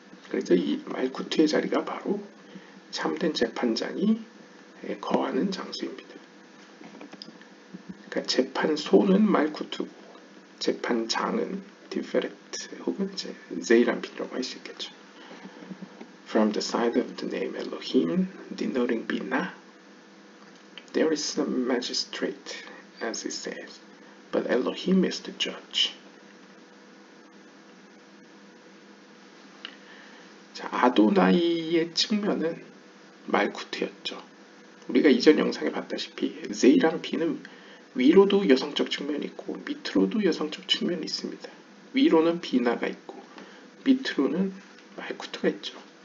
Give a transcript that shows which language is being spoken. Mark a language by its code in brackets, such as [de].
[ko] 그래서 이 말쿠트의 자리가 바로 참된 재판장이 거하는 장소입니다. 그러니까 재판소는 말쿠트고 재판장은 디페렌트 혹은 제이란 핀이라고 할 수 있겠죠. [en] From the side of the name Elohim, denoting Bina, there is a magistrate, as it says, but Elohim is the judge. [ko] 자, 아도나이의 측면은 말쿠트였죠. 우리가 이전 영상에 봤다시피 제이란 핀은 위로도 여성적 측면이 있고 밑으로도 여성적 측면이 있습니다. 위로는 비나가 있고 밑으로는 말쿠트가 있죠.